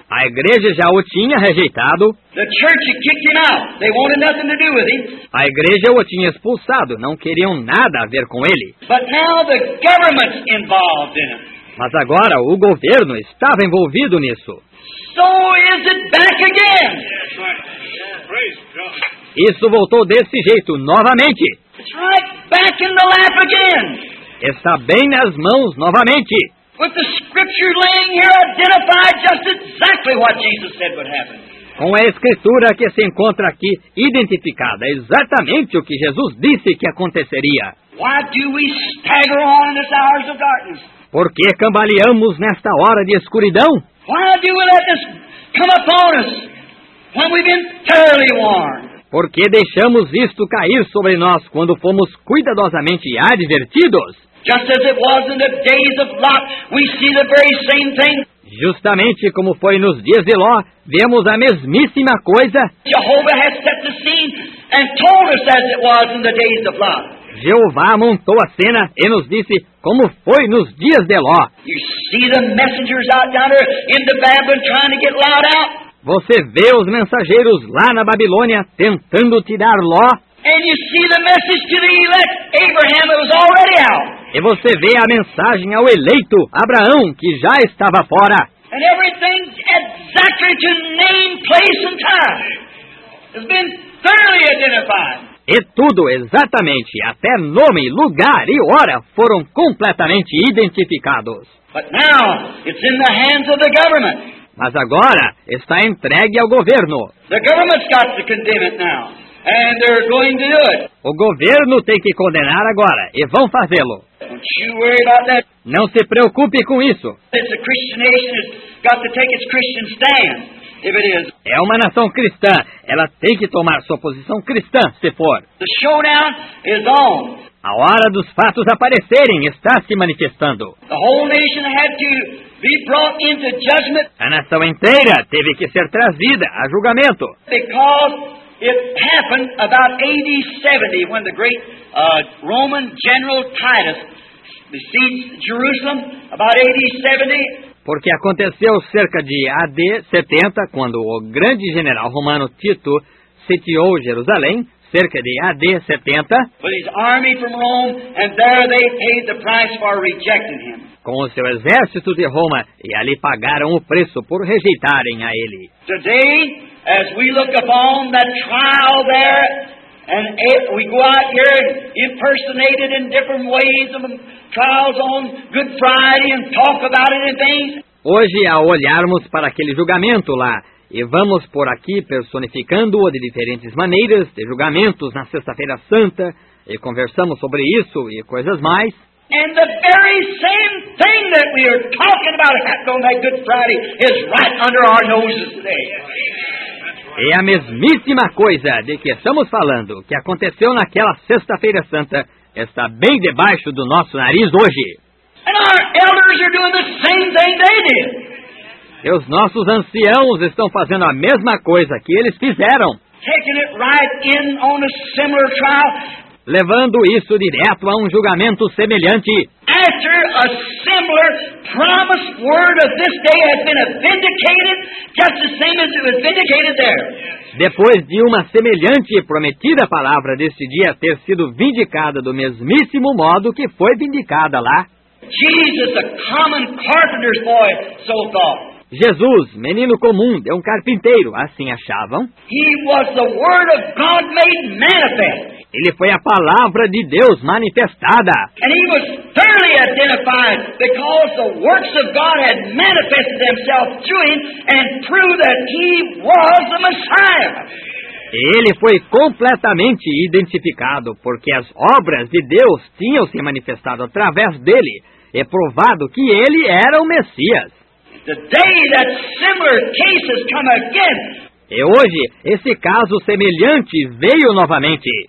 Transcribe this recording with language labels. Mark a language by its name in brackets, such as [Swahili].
[Portuguese] A igreja já o tinha rejeitado. [English] The church had kicked him out. They wanted nothing to do with him. [Portuguese] A igreja o tinha expulsado, não queriam nada a ver com ele. [English] But now the government's involved in it. [Portuguese] Mas agora o governo estava envolvido nisso. [English] So is it back again? Yes, sir. Yes. [Portuguese] Isso voltou desse jeito novamente. [English] It's right back in the lap again. [Portuguese] Está bem nas mãos novamente. [English] With the scripture laying here identified just exactly what Jesus said would happen. [Portuguese] Com a escritura que se encontra aqui identificada exatamente o que Jesus disse que aconteceria. [English] Why do we stagger on in this hours of darkness? [Portuguese] Por que cambaleamos nesta hora de escuridão? [English] Why do we let this come upon us when we've been thoroughly warned? [Portuguese] Por que deixamos isto cair sobre nós quando fomos cuidadosamente advertidos? [English] Just as it was in the days of Lot, we see the very same thing. [Portuguese] Justamente como foi nos dias de Ló, vemos a mesmíssima coisa. [English] Jehovah has set the scene and told us as it was in the days of Lot. [Portuguese] Jeová montou a cena e nos disse como foi nos dias de Ló. [English] You see the messengers out yonder in the Babylon trying to get Lot out? [Portuguese] Você vê os mensageiros lá na Babilônia tentando tirar Ló? [English] And you see the message to the elect Abraham that was already out. [Portuguese] E você vê a mensagem ao eleito Abraão que já estava fora? [English] And everything exactly to name, place and time has been thoroughly identified. [Portuguese] E tudo exatamente, até nome, lugar e hora, foram completamente identificados. [English] But now, it's in the hands of the government. [Portuguese] Mas agora, está entregue ao governo. [English] The government's got to condemn it now, and they're going to do it. [Portuguese] O governo tem que condenar agora, e vão fazê-lo. [English] Don't you worry about that. [Portuguese] Não se preocupe com isso. [English] It's a Christian nation, it's got to take its Christian stand. If it is. [Portuguese] É uma nação cristã. Ela tem que tomar sua posição cristã, se for. [English] The showdown is on. [Portuguese] A hora dos fatos aparecerem está se manifestando. [English] The whole nation had to be brought into judgment. [Portuguese] A nação inteira teve que ser trazida a julgamento. [English] Because it happened about AD 70 when the great Roman general Titus besieged Jerusalem about AD 70. [Portuguese] Porque aconteceu cerca de AD 70, quando o grande general romano Tito sitiou Jerusalém, cerca de AD 70. [English] With his army from Rome, and there they paid the price for rejecting him. [Portuguese] Com o seu exército de Roma, e ali pagaram o preço por rejeitarem a ele. [English] Today, as we look upon that trial there, and we go out here impersonated in different ways of trials on Good Friday and talk about it and things. [Portuguese] Hoje, ao olharmos para aquele julgamento lá, e vamos por aqui personificando-o de diferentes maneiras, de julgamentos na Sexta-feira Santa, e conversamos sobre isso e coisas mais. [English] And the very same thing that we are talking about on that Good Friday is right under our noses today. [Portuguese] E a mesmíssima coisa de que estamos falando, que aconteceu naquela Sexta-feira Santa, está bem debaixo do nosso nariz hoje. [English] And our elders are doing the same thing they did. [Portuguese] E os nossos anciãos estão fazendo a mesma coisa que eles fizeram. [English] Taking it right in on a similar trial. [Portuguese] Levando isso direto a um julgamento semelhante. [English] After a similar promised word of this day has been vindicated, just the same as it was vindicated there. [Portuguese] Depois de uma semelhante e prometida palavra deste dia ter sido vindicada do mesmíssimo modo que foi vindicada lá. [English] Jesus, a common carpenter's boy, so thought. [Portuguese] Jesus, menino comum, de um carpinteiro, assim achavam. [English] He was the word of God made manifest. [Portuguese] Ele foi a palavra de Deus manifestada. [English] And he was thoroughly identified because the works of God had manifested themselves through him and proved that he was the Messiah. [Portuguese] Ele foi completamente identificado porque as obras de Deus tinham se manifestado através dele e provado que ele era o Messias. [English] The day that similar cases come again. [Portuguese] E hoje, esse caso semelhante veio novamente.